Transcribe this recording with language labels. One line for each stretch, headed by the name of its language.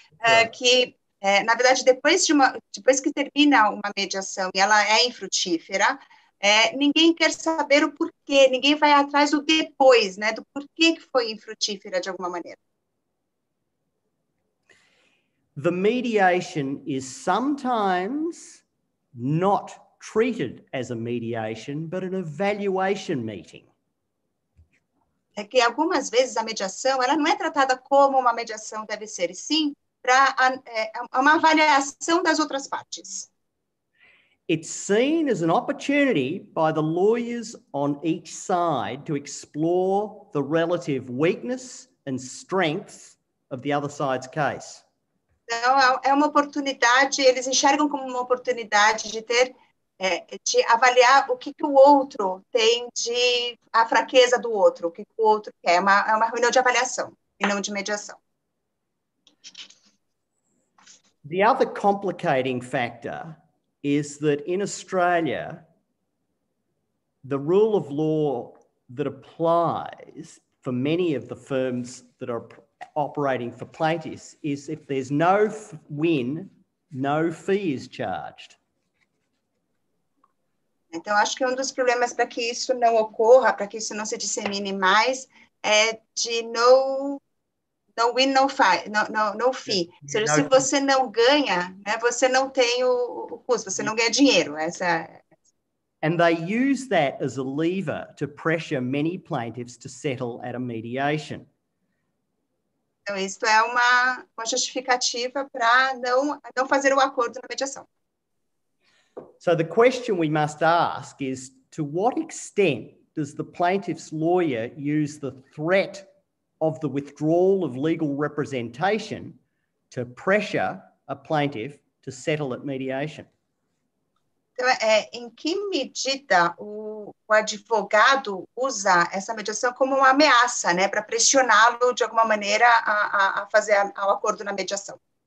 Portuguese: Na verdade, depois que termina uma mediação e ela é infrutífera, ninguém quer saber o porquê, ninguém vai atrás do depois, né? Do porquê que foi infrutífera de alguma maneira.
English: The mediation is sometimes not treated as a mediation, but an evaluation meeting.
Portuguese: É que algumas vezes a mediação, ela não é tratada como uma mediação deve ser, e sim para uma avaliação das outras partes.
English: It's seen as an opportunity by the lawyers on each side to explore the relative weakness and strength of the other side's case.
Portuguese: Então, é uma oportunidade, eles enxergam como uma oportunidade de ter, de avaliar o que, que o outro tem de, a fraqueza do outro, o que, que o outro quer. É uma reunião de avaliação e não de mediação.
English: The other complicating factor is that in Australia, the rule of law that applies for many of the firms that are operating for plaintiffs is if there's no win, no fee is charged.
Portuguese: Então, acho que um dos problemas para que isso não ocorra, para que isso não se dissemine mais, é de
English: no win, no fee.
Portuguese: Ou seja, se você não ganha, né, você não tem o custo, você não ganha dinheiro.
English: And they use that as a lever to pressure many plaintiffs to settle at a mediation.
Portuguese: Então, isso é uma justificativa para não fazer o acordo na mediação.
English: So the question we must ask is, to what extent does the plaintiff's lawyer use the threat of the withdrawal of legal representation to pressure a plaintiff to settle at mediation?
Portuguese: Então, em que medida o advogado usa essa mediação como uma ameaça, né, para pressioná-lo de alguma maneira a fazer ao acordo na mediação?